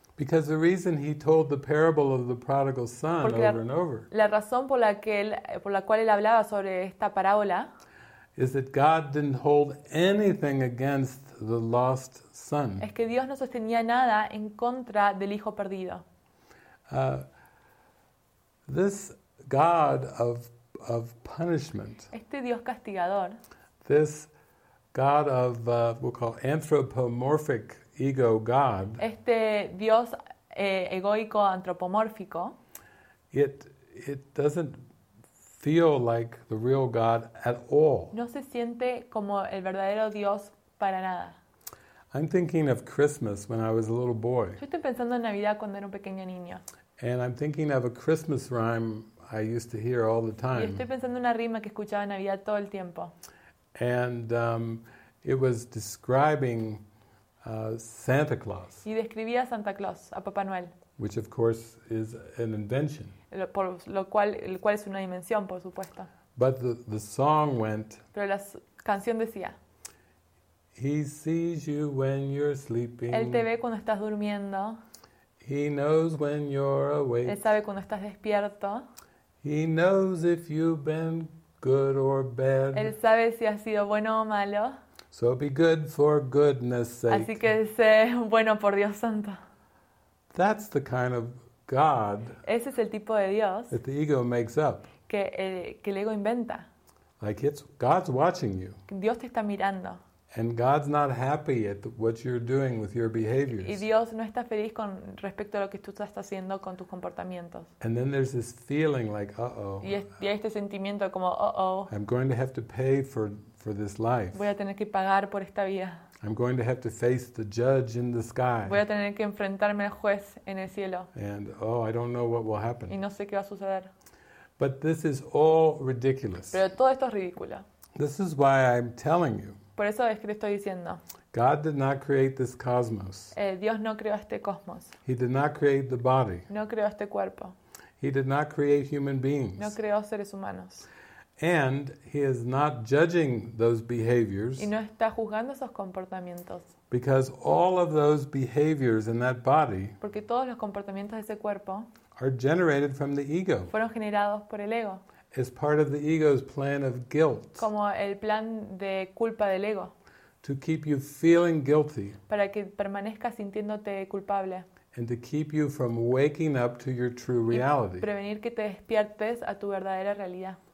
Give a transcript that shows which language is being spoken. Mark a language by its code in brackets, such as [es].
[en] Because the reason he told the parable of the prodigal son over and over. [es] La razón por la cual él hablaba sobre esta parábola [en] is that God didn't hold anything against the lost son. [es] Es que Dios no sostenía nada en contra del hijo perdido. [en] This God of of punishment. [es] Este Dios castigador. [en] This God of we'll call anthropomorphic ego God. [es] Este Dios egoico antropomórfico. [en] It doesn't feel like the real God at all. [es] No se siente como el verdadero Dios para nada. [en] I'm thinking of Christmas when I was a little boy. [es] Yo estoy pensando en Navidad cuando era un pequeño niño. [en] And I'm thinking of a Christmas rhyme I used to hear all the time. [es] Y estoy pensando en una rima que escuchaba en Navidad todo el tiempo. [en] And it was describing Santa Claus. [es] Y describía a Santa Claus, a Papá Noel. [en] Which of course is an invention. [es] Por lo cual, el cual es una invención, por supuesto. [en] But the song went. [es] Pero la canción decía. [en] He sees you when you're sleeping. [es] Él te ve cuando estás durmiendo. [en] He knows when you're awake. [es] Él sabe cuando estás despierto. [en] He knows if you've been good or bad. [es] Él sabe si has sido bueno o malo. [en] So be good for goodness sake. [es] Así que sé bueno por Dios santo. [en] That's the kind of God. [es] Ese es el tipo de Dios. [en] That the ego makes up. [es] Que el ego inventa. [en] Like it's God's watching you. [es] Dios te está mirando. [en] And God's not happy at what you're doing with your behaviors. [es] Y Dios no está feliz con respecto a lo que tú estás haciendo con tus comportamientos. [en] And then there's this feeling like, uh-oh. [es] Y hay este sentimiento como, uh-oh. [en] I'm going to have to pay for this life. [es] Voy a tener que pagar por esta vida. [en] I'm going to have to face the judge in the sky. [es] Voy a tener que enfrentarme al juez en el cielo. [en] And, oh, I don't know what will happen. [es] Y no sé qué va a suceder. [en] But this is all ridiculous. [es] Pero todo esto es ridículo. [en] This is why I'm telling you. [es] Por eso es que le estoy diciendo. [en] God did not create this cosmos. [es] Dios no creó este cosmos. [en] He did not create the body. [es] No creó este cuerpo. [en] He did not create human beings. [es] No creó seres humanos. [en] And he is not judging those behaviors. [es] Y no está juzgando esos comportamientos. [en] Because all of those behaviors in that body. [es] Porque todos los comportamientos de ese cuerpo. [en] Are generated from the ego. [es] Fueron generados por el ego. [en] Is part of the ego's plan of guilt. [es] Como el plan de culpa del ego. [en] To keep you feeling guilty. [es] Para que permanezcas sintiéndote culpable. [en] And to keep you from waking up to your true reality. [es] Y prevenir que te despiertes a tu verdadera realidad.